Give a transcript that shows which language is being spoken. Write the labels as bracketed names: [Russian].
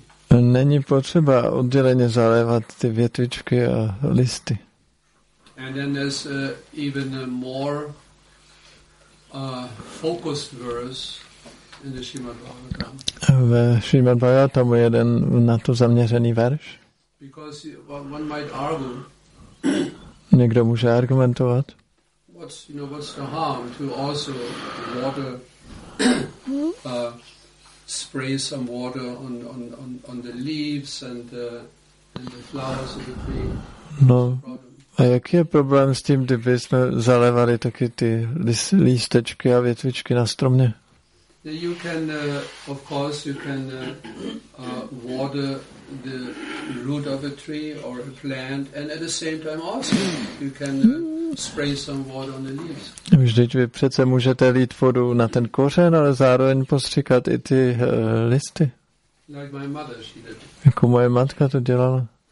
[Czech] Není potřeba odděleně zalévat ty větvičky a listy. [English] And then there's even a more focused verse in the Srimad Bhagavatam. [Czech] Ve Srimad Bhagavatam je jeden na to zaměřený verš. [English] Because one might argue. [Czech] Někdo může argumentovat. [English] What's, you know, what's the harm to also water spray some water on the leaves and the flowers of the tree? [Czech] No. A jaký je problém s tím, kdyby jsme zalévali taky ty lístečky a větvičky na stromě? [English] You can, of course, you can water the root of a tree or a plant, and at the same time also you can spray some water on the leaves. [Czech] Vždyť vy přece můžete lít vodu na ten kořen, ale zároveň postříkat i ty listy. [English] Like my mother, she did. [Czech] Jako moje matka to dělala.